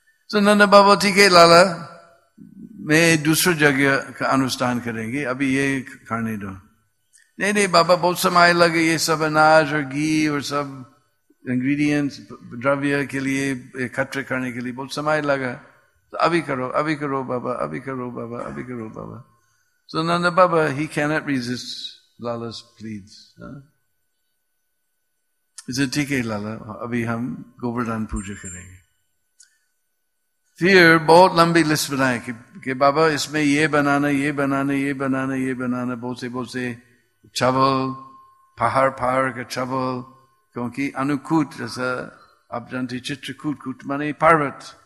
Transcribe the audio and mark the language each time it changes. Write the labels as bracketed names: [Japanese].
[Hindi] तो नंदा बाबा ठीक है लाला, मैं दूसरा यज्ञ का अनुष्ठान करेंगे, अभी ये करने दो। नहीं नहीं बाबा, बहुत समय लगे ये सब अनाज और घी और सब इंग्रेडिएंट्स द्रव्य के लिए इकट्ठे करने के लिए बहुत समय लगा, तो अभी करो बाबा, अभी करो बाबा, अभी करो बाबा। [English] So Nanda Baba, he cannot resist Lala's pleads. He said, [Hindi] ठीक है Lala, अभी हम गोवर्धन पूजा करेंगे। फिर बहुत लंबी लिस्ट बनाए कि बाबा इसमें ये बनाना, ये बनाना, ये बनाना, ये बनाना, बहुत से चावल, पहाड़ पहाड़ का चावल, क्योंकि अनुकूट जैसा आप जानते चित्रकूट, कूट माने पर्वत।